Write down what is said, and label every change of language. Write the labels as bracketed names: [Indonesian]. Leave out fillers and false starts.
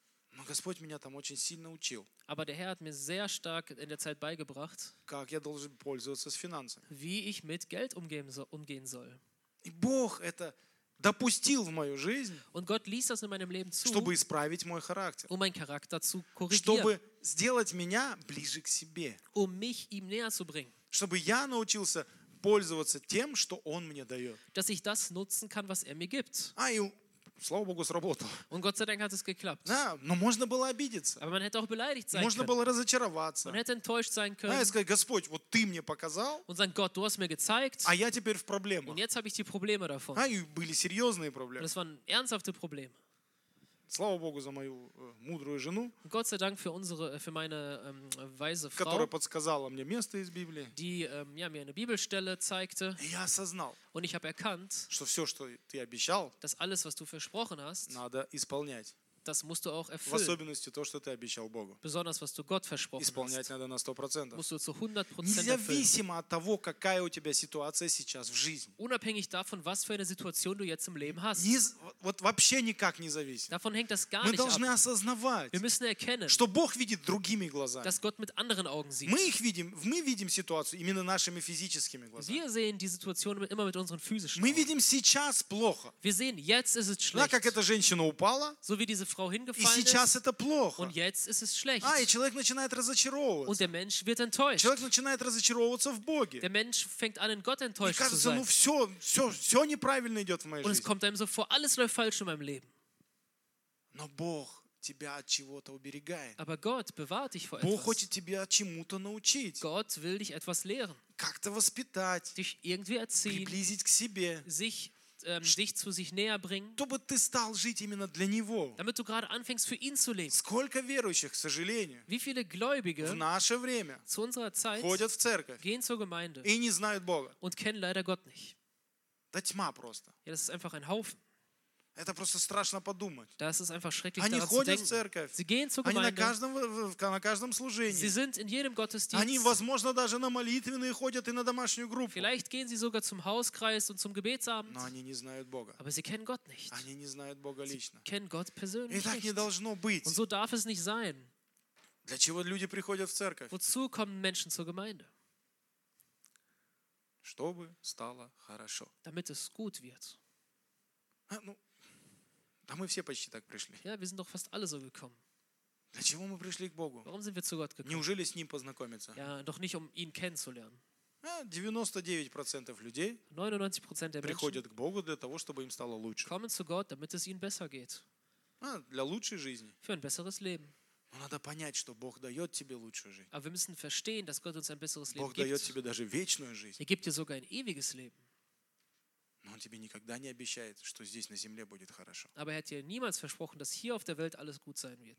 [Russian] Но Господь меня там очень сильно учил. [German] Aber der Herr hat mir sehr stark in der Zeit beigebracht, [Russian] как я должен пользоваться с финансами. [German] Wie ich mit Geld umgehen soll. [Russian] И Бог это допустил в мою жизнь. [German] Und Gott ließ das in meinem Leben zu, [Russian] чтобы исправить мой характер. [German] Um meinen Charakter zu korrigieren. [Russian] Чтобы сделать меня ближе к себе. [German] Um mich ihm näher zu bringen. [Russian] Чтобы я научился пользоваться тем, что он мне дает. [German] Dass ich das nutzen kann, was er mir gibt. [Russian] А, и, слава Богу, сработало. [German] Und Gott sei Dank hat es geklappt. [Russian] Да, но можно было обидеться. [German] Aber man hätte auch beleidigt sein [Russian] можно Было разочароваться. [German] Man hätte enttäuscht sein können. [Russian] Да, и сказать, Господь, вот ты мне показал. [German] Und sagen, Gott, du hast mir gezeigt. [Russian] А я теперь в проблемах. [German] Und jetzt habe ich die Probleme davon. [Russian] А, и были серьезные проблемы. [German] Und das waren ernsthafte Probleme. [Russian] Слава Богу за мою мудрую жену, [German] Gott sei Dank für unsere, für meine, weise Frau, [Russian] которая подсказала мне место из Библии, [German] die, ja, mir eine Bibelstelle zeigte, [Russian] и я осознал, [German] und ich habe erkannt, [Russian] что все, что ты обещал, [German] dass alles, was du versprochen hast, [Russian] надо исполнять. [German] Das musst du auch erfüllen. [Russian] В особенности то, что ты обещал Богу. [German] Besonders, was du Gott versprochen [Russian] исполнять [German] hast. [Russian] Надо на 100%. [German] Musst du zu 100% erfüllen. [Russian] Независимо от того, какая у тебя ситуация сейчас в жизни. [German] Unabhängig davon, was für eine Situation du jetzt im Leben hast. [Russian] Вот вообще никак не зависит. [German] Davon hängt das gar [Russian] Мы [German] nicht [Russian] должны [German] ab. [Russian] Осознавать, [German] Wir müssen erkennen, [Russian] что Бог видит другими глазами. [German] Dass Gott mit anderen Augen sieht. [Russian] Мы их видим, мы видим ситуацию именно нашими физическими глазами. [German] Wir sehen die Situation immer mit unseren physischen [Russian] мы [German] Augen. [Russian] Видим сейчас плохо. [German] Wir sehen, jetzt ist es schlecht. [Russian] Да, как эта женщина упала, [German] so wie diese Frau hingefallen ist, und jetzt ist es schlecht. Und der Mensch wird enttäuscht. Der Mensch fängt an, in Gott enttäuscht zu sein. Und es kommt einem so vor, alles läuft falsch in meinem Leben. Aber Gott bewahrt dich vor etwas. Gott will dich etwas lehren. Dich irgendwie erziehen. Dich zu sich näher bringen, damit du gerade anfängst, für ihn zu leben. Wie viele Gläubige zu unserer Zeit gehen zur Gemeinde und kennen leider Gott nicht? Ja, das ist einfach ein Haufen. [Russian] Это просто страшно подумать. [German] Das ist einfach schrecklich, [Russian] они ходят в церковь. [German] Sie gehen zur [Russian] они [German] Gemeinde. [Russian] На каждом, на каждом служении. [German] Sie sind in jedem Gottesdienst. [Russian] Они, возможно, даже на молитвенные ходят и на домашнюю группу. [German] Vielleicht gehen sie sogar zum Hauskreis und zum Gebetsabend. [Russian] Но они не знают Бога. [German] Aber sie kennen Gott nicht. [Russian] Они не знают Бога лично. [German] Sie kennen Gott persönlich. [Russian] И так не должно быть. [German] Und so darf es nicht sein. [Russian] Для чего люди приходят в церковь? [German] Wozu kommen Menschen zur Gemeinde? [Russian] Чтобы стало хорошо. [German] Damit es gut wird. [Russian] А мы все почти так пришли. [German] Ja, wir sind doch fast alle so gekommen. [Russian] Для чего мы пришли к Богу? [German] Warum sind wir zu Gott gekommen? [Russian] Неужели с ним познакомиться? [German] Ja, doch nicht, um ihn kennenzulernen. [Russian] 99% людей [German] 99% der [Russian] приходят к Богу для того, чтобы им стало лучше. [German] Kommen zu Gott, damit es ihnen besser geht. [Russian] А, для лучшей жизни. [German] Für ein besseres Leben. [Russian] Но надо понять, что Бог дает тебе лучшую жизнь. [German] Aber wir müssen verstehen, dass Gott uns ein besseres Leben [Russian] Бог дает [German] gibt. [Russian] Тебе даже вечную жизнь. [German] Er gibt dir sogar ein ewiges Leben. [Russian] Но он тебе никогда не обещает, что здесь на земле будет хорошо. [German] Aber er hat dir niemals versprochen, dass hier auf der Welt alles gut sein wird.